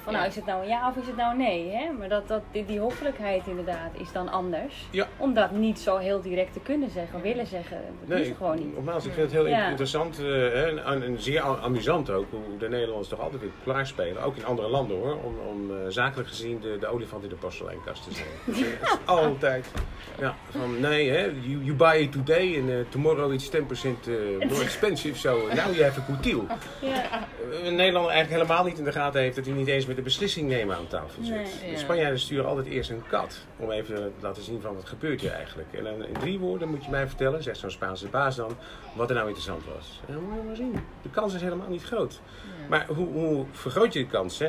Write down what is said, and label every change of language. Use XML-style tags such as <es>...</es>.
<nl>Van nou, is het nou een ja of is het nou een nee? Hè? Maar die hoffelijkheid inderdaad is dan anders. Ja. Om dat niet zo heel direct te kunnen zeggen, willen zeggen. Dat is gewoon niet. Nogmaals, ik vind het heel interessant en zeer amusant ook. Hoe de Nederlanders toch altijd weer klaarspelen. Ook in andere landen hoor. Om zakelijk gezien de olifant in de porseleinkast te zijn. altijd.</nl> <en>Ja, van nee, hè, you buy it today and tomorrow it's 10% more expensive. So now you have a good deal.</en> <nl>Een Nederlander eigenlijk helemaal niet in de gaten heeft dat hij niet eens met de beslissing nemen aan tafel zit. Nee, de Spanjaarden sturen altijd eerst een kat om even te laten zien van wat gebeurt hier eigenlijk. En dan in 3 woorden moet je mij vertellen, zegt zo'n Spaanse baas dan, wat er nou interessant was. En dan moet je maar zien. De kans is helemaal niet groot. Ja. Maar hoe vergroot je de kans? Hè?</nl>